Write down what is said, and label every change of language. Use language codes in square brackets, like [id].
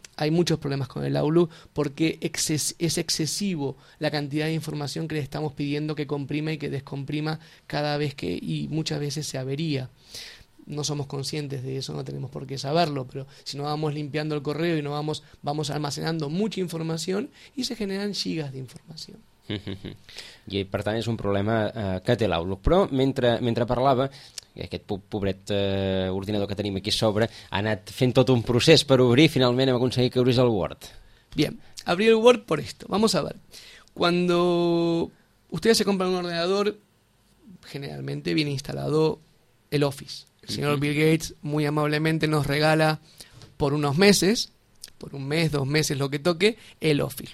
[es] Hay muchos problemas con el Outlook porque es excesivo la cantidad de información que le estamos pidiendo que comprima y que descomprima cada vez que, y muchas veces se avería. No somos conscientes de eso, no tenemos por qué saberlo, pero si no vamos limpiando el correo y no vamos almacenando mucha información, y se generan gigas de información. [ca] I per tant és un problema que té l'Outlook. Però mentre parlava, aquest pobret ordinador que tenim aquí a sobre ha anat fent tot un procés per obrir, finalment hem aconseguit que obrís el Word. [es] Bien, abrir el Word por esto. Vamos a ver. Cuando ustedes se compran un ordenador, generalmente viene instalado el Office. El señor Bill Gates muy amablemente nos regala por unos meses, por un mes, dos meses, lo que toque, el Office.